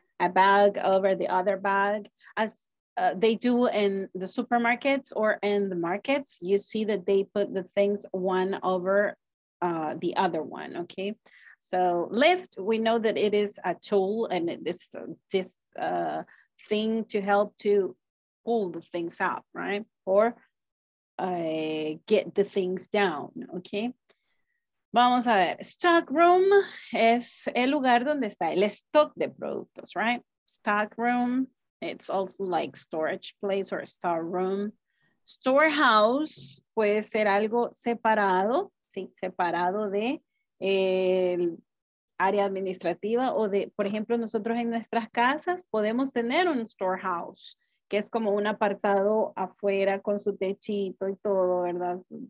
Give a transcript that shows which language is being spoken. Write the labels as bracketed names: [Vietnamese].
[English] A bag over the other bag, as they do in the supermarkets or in the markets, you see that they put the things one over the other one, okay? So lift, we know that it is a tool and this thing to help to pull the things up, right? Or get the things down, okay? [Spanish] Vamos a ver, stock room es el lugar donde está el stock de productos, [English] right? Stock room, it's also like storage place or store room. [Spanish] Storehouse puede ser algo separado, sí, separado de el área administrativa o de, por ejemplo, nosotros en nuestras casas podemos tener un storehouse, que es como un apartado afuera con su techito y todo, ¿verdad?